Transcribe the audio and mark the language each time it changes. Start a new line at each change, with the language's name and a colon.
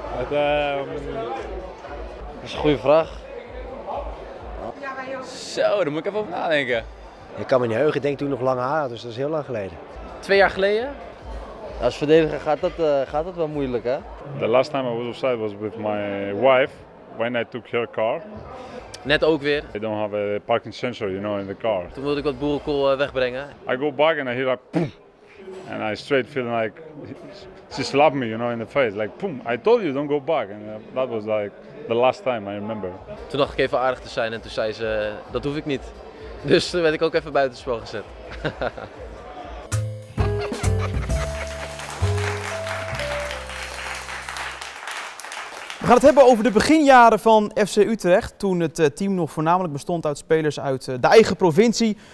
Dutch: Dat is een goede vraag. Zo, daar moet ik even over nadenken. Ik kan me niet heugen, ik denk toen nog lange haren, dus dat is heel lang geleden. 2 jaar geleden? Als verdediger gaat dat wel moeilijk, hè?
English: The last time I was offside was with my wife, when I took her car.
Dutch: Net ook weer.
English: They don't have a parking sensor, you know, in the car.
Dutch: Toen wilde ik wat boerenkool wegbrengen.
English: I go back and I hear a poom. And I straight feel like she slapped me, you know, in the face. Like, poom, I told you, don't go back. And that was like the last time I remember.
Dutch: Toen dacht ik even aardig te zijn en toen zei ze, dat hoef ik niet. Dus toen werd ik ook even buitenspel gezet. We gaan het hebben over de beginjaren van FC Utrecht. Toen het team nog voornamelijk bestond uit spelers uit de eigen provincie.